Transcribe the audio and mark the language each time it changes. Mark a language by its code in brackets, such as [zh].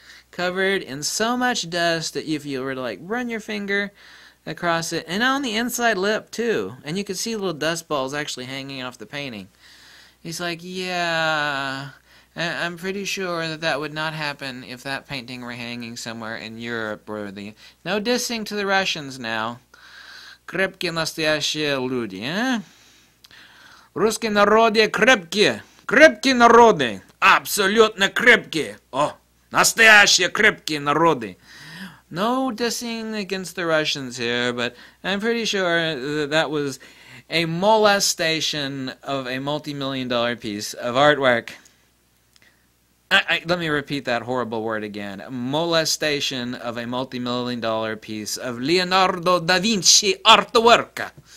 [en] Covered in so much dust that if you were to, like, run your finger across it. And on the inside lip, too. And you could see little dust balls actually hanging off the painting. He's like, yeah. I'm pretty sure that that would not happen if that painting were hanging somewhere in Europe or the. No dissing to the Russians now. [ru] Крепкие настоящие люди, а? Русские народы крепкие. Крепкие народы. Абсолютно крепкие. О, настоящие крепкие народы. [en] No dissing against the Russians here, but I'm pretty sure that that was a molestation of a multi-million-dollar piece of artwork. Let me repeat that horrible word again. Molestation of a multi-million-dollar piece of Leonardo da Vinci artwork.